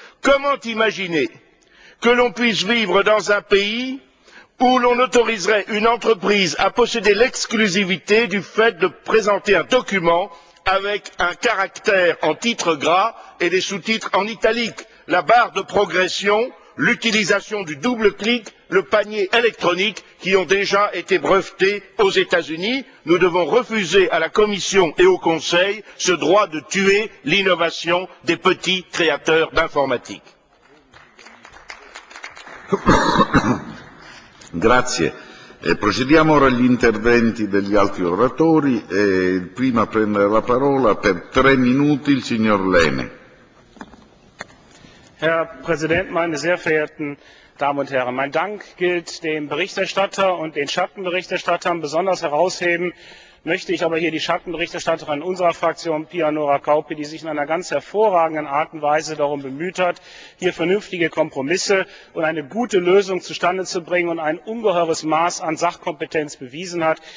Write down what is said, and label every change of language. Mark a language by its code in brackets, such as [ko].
[fr] Comment imaginer que l'on puisse vivre dans un pays où l'on autoriserait une entreprise à posséder l'exclusivité du fait de présenter un document avec un caractère en titre gras et des sous-titres en italique, la barre de progression, l'utilisation du double-clic, le panier électronique qui ont déjà été brevetés aux États-Unis. Nous devons refuser à la Commission et au Conseil ce droit de tuer l'innovation des petits créateurs d'informatique. [it] Grazie. E procediamo ora agli interventi degli altri oratori. E il primo a prendere la parola per 3 minuti, il signor Lehne. [de] Herr Präsident, meine sehr verehrten Damen und Herren, mein Dank gilt dem Berichterstatter und den Schattenberichterstattern. Besonders herausheben möchte ich aber hier die Schattenberichterstatterin unserer Fraktion, Pia Nora Kauppi, die sich in einer ganz hervorragenden Art und Weise darum bemüht hat, hier vernünftige Kompromisse und eine gute Lösung zustande zu bringen und ein ungeheures Maß an Sachkompetenz bewiesen hat.